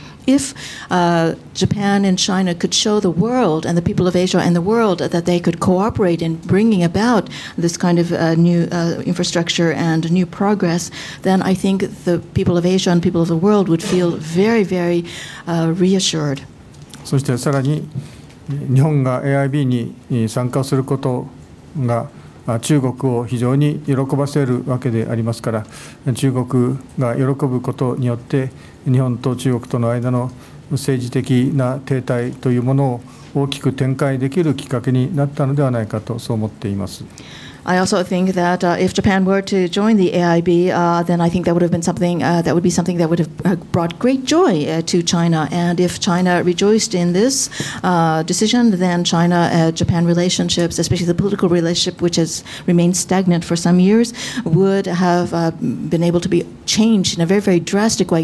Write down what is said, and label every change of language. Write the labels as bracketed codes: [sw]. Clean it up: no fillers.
[en] If Japan and China could show the world and the people of Asia and the world that they could cooperate in bringing about this kind of new infrastructure and new progress, then I think the people of Asia and people of the world would feel very, very reassured. [ja] そしてさらに日本が AIIB に参加することが中国を非常に喜ばせるわけでありますから、中国が喜ぶことによって日本と中国との間の政治的な停滞というものを大きく展開できるきっかけになったのではないかと、そう思っています。 [en] I also think that if Japan were to join the AIIB, then I think that would have been something that would be something that would have brought great joy to China. And if China rejoiced in this decision, then China-Japan relationships, especially the political relationship, which has remained stagnant for some years, would have been able to be changed in a very, very drastic way.